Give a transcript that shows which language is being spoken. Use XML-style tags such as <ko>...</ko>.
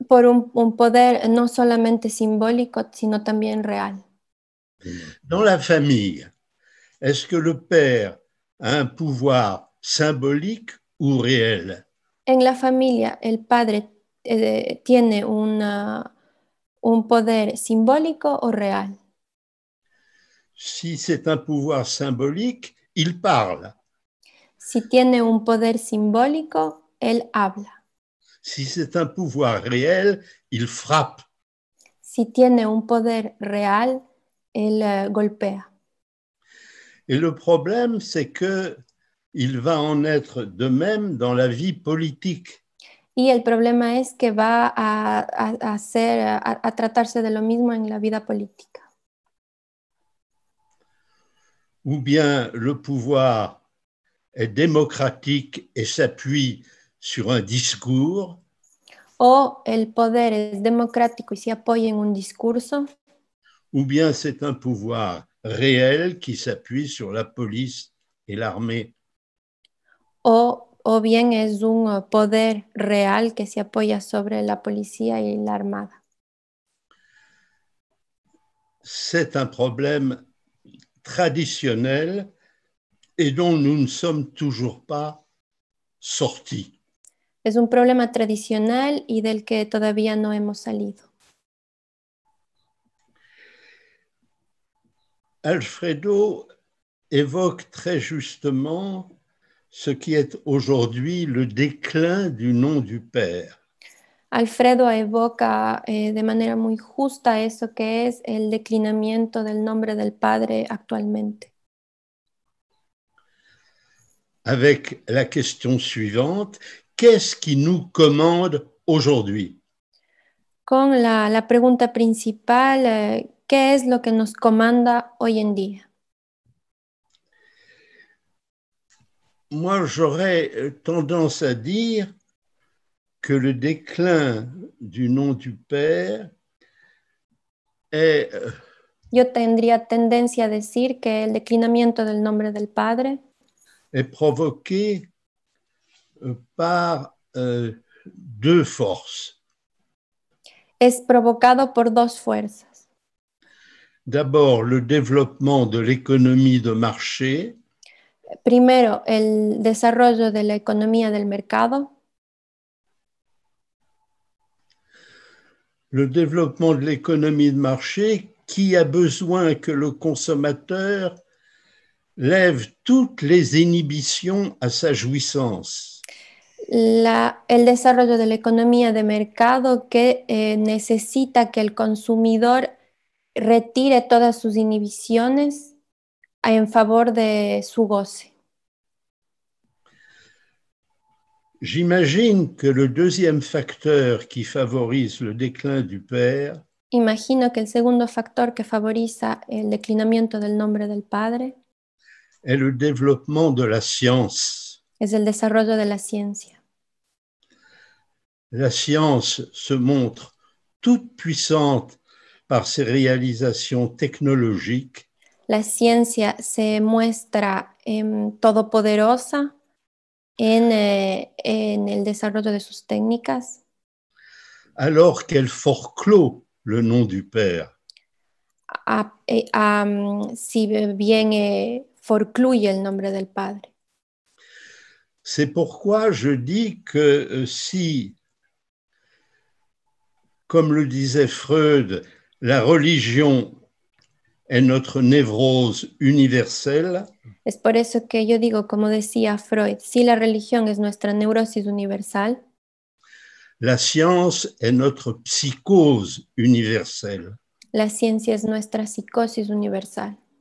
<es>Por un poder no solamente simbólico sino también real.</es> <fr>Dans la famille, est-ce que le père a un pouvoir symbolique ou réel?</fr> <es>En la familia, el padre tiene un poder simbólico o real.</es> <fr>Si c'est un pouvoir symbolique, il parle.</fr> <es>Si tiene un poder simbólico, él habla.</es> <fr>Si c'est un pouvoir réel, il frappe.</fr> <es>Si tiene un poder real, él golpea.</es> <fr>Et le problème, c'est que il va en être de même dans la vie politique.</fr> <es>Y el problema es que va a tratarse de lo mismo en la vida política.</es> <fr>Ou bien le pouvoir est démocratique et s'appuie sur un discours.</fr> <es>O el poder es democrático y se apoya en un discurso.</es> <fr>Ou bien c'est un pouvoir réel qui s'appuie sur la police et l'armée.</fr> <es>O bien es un poder real que se apoya sobre la policía y la armada.</es> <fr>C'est un problème traditionnel et dont nous ne sommes toujours pas sortis.</fr> <es>Es un problema tradicional y del que todavía no hemos salido.</es> <fr>Alfredo évoque très justement ce qui est aujourd'hui le déclin du nom du père. Alfredo évoque de manière</fr> <es>muy justa eso que es el declinamiento del nombre del padre actualmente.</es> <fr>Avec la question suivante, qu'est-ce qui nous commande aujourd'hui?</fr> <es>Con la pregunta principal, ¿qué es lo que nos comanda hoy en día?</es> <fr>Moi, j'aurais tendance à dire que le déclin du nom du père est...</fr> <es>Yo tendría tendencia a decir que el declinamiento del nombre del padre</es> <fr>est provoqué par deux forces.</fr> <es>Es provocado por dos fuerzas.</es> <fr>D'abord, le développement de l'économie de marché.</fr> <es>Primero, el desarrollo de la economía del mercado.</es> <fr>Le développement de l'économie de marché, qui a besoin que le consommateur lève toutes les inhibitions à sa jouissance.</fr> <es>El desarrollo de la economía de mercado que necesita que el consumidor retire todas sus inhibiciones en favor de su goce.</es> <fr>J'imagine que le deuxième facteur qui favorise le déclin du père.</fr> <es>Imagino que el segundo factor que favoriza el declinamiento del nombre del padre</es> <fr>est le développement de la science.</fr> <es>Es el desarrollo de la ciencia.</es> <fr>La science se montre toute puissante par ses réalisations technologiques.</fr> <es>La ciencia se muestra todopoderosa en el desarrollo de sus técnicas.</es> <fr>Alors qu'elle forclôt le nom du père.</fr> <es>Si bien forcluye el nombre del padre.</es> <fr>C'est pourquoi je dis que si, comme le disait Freud, La religion est notre névrose universelle.</fr> <es>Es por eso que yo digo, como decía Freud, si la religión es nuestra neurosis universal.</es> <fr>La science est notre psychose universelle.</fr> <es>La ciencia es nuestra psicosis universal.</es>